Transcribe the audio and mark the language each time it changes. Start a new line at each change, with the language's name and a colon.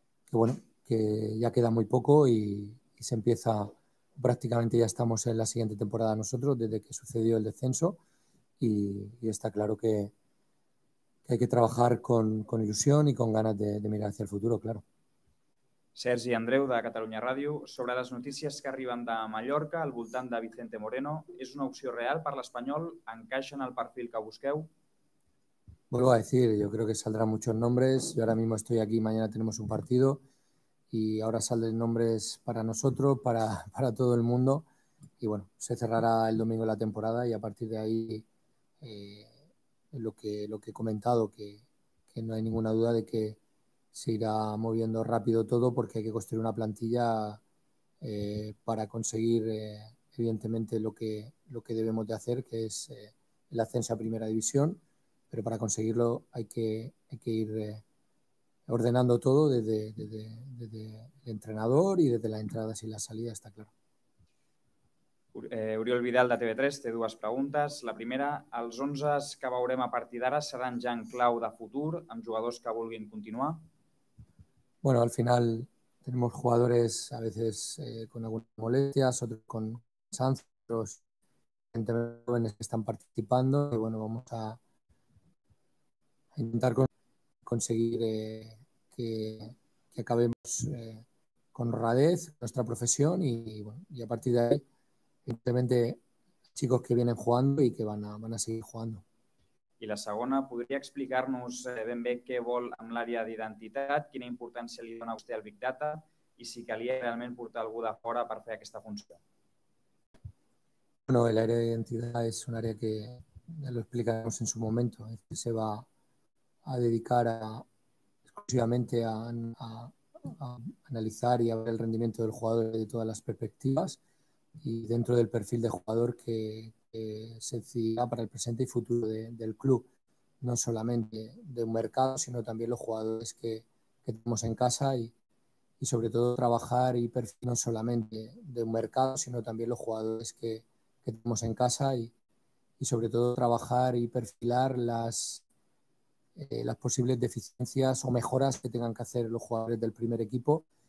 Spanish: bueno, que ya queda muy poco y se empieza, prácticamente ya estamos en la siguiente temporada nosotros desde que sucedió el descenso y está claro que hay que trabajar con ilusión y con ganas de mirar hacia el futuro, claro.
Catalan: Sergi Andreu, de Catalunya Ràdio. Sobre les notícies que arriben de Mallorca al voltant de Vicente Moreno, és una opció real per l'Espanyol? ¿Encaixa en el perfil que busqueu?
Spanish: Vuelvo a decir, yo creo que saldrán muchos nombres. Yo ahora mismo estoy aquí, mañana tenemos un partido y ahora salen nombres para nosotros, para todo el mundo. Y bueno, se cerrará el domingo la temporada y a partir de ahí... Lo que he comentado, que no hay ninguna duda de que se irá moviendo rápido todo porque hay que construir una plantilla para conseguir, evidentemente, lo que debemos de hacer, que es el ascenso a primera división, pero para conseguirlo hay que ir ordenando todo desde el entrenador y desde las entradas y las salidas, está claro.
Catalan: Oriol Vidal, de TV3, té dues preguntes. La primera, els 11 que veurem a partir d'ara seran ja en clau de futur amb jugadors que vulguin continuar?
Spanish: Bueno, al final tenemos jugadores a veces con algunas molestias, otros con cansancios, gente joven que están participando y bueno, vamos a intentar conseguir que acabemos con honradez nuestra profesión y a partir de ahí simplemente chicos que vienen jugando y que van a seguir jugando.
Catalan: I la segona, podria explicar-nos ben bé què vol amb l'àrea d'identitat, quina importància li dona vostè al Big Data i si calia realment portar algú de fora per fer aquesta funció?
Spanish: Bueno, el área de identidad es un área que ya lo explicamos en su momento. Se va a dedicar exclusivamente a analizar y a ver el rendimiento del jugador de todas las perspectivas. Y dentro del perfil de jugador que se decidirá para el presente y futuro del club, no solamente de un mercado, sino también los jugadores que tenemos en casa y sobre todo trabajar y perfil no solamente de un mercado, sino también los jugadores que tenemos en casa y sobre todo trabajar y perfilar las posibles deficiencias o mejoras que tengan que hacer los jugadores del primer equipo.